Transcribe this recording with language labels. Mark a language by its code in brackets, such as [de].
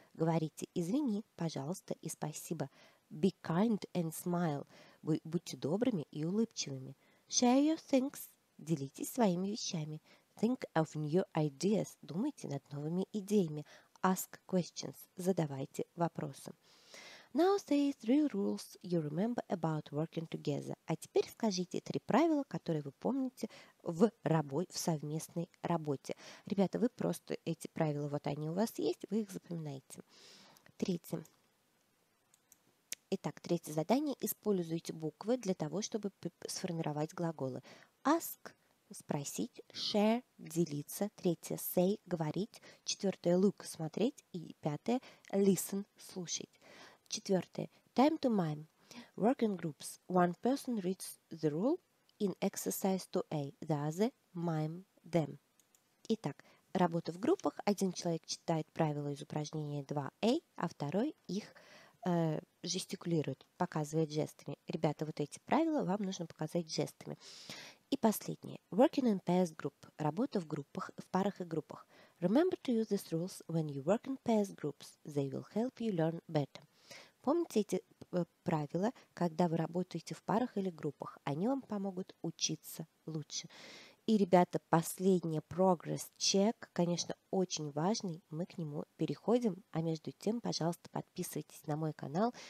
[ru] Говорите «извини», «пожалуйста» и «спасибо». [en] Be kind and smile. [ru] Будьте добрыми и улыбчивыми. [en] Share your things. [ru] Делитесь своими вещами. [en] Think of new ideas. [ru] Думайте над новыми идеями. [en] Ask questions. [ru] Задавайте вопросы. [en] Now say three rules you remember about working together. [ru] А теперь скажите три правила, которые вы помните в совместной работе. Ребята, вы просто эти правила, вот они у вас есть, вы их запоминаете. Третье. Итак, третье задание. Используйте буквы для того, чтобы сформировать глаголы. Ask – спросить, share – делиться. Третье – say – говорить. Четвертое – look – смотреть. И пятое – listen – слушать. Четвертое. [en] Time to mime. Work in groups. One person reads the rule in exercise 2A. The other mime them. [ru] Итак, работа в группах. Один человек читает правила из упражнения 2A, а второй их жестикулирует, показывает жестами. Ребята, вот эти правила вам нужно показать жестами. И последнее. [en] Working in pairs group. [ru] Работа в группах, в парах и группах. [en] Remember to use these rules when you work in pairs groups. They will help you learn better. [ru] Помните эти правила, когда вы работаете в парах или группах. Они вам помогут учиться лучше. И, ребята, последний прогресс-чек, конечно, очень важный. Мы к нему переходим. А между тем, пожалуйста, подписывайтесь на мой канал.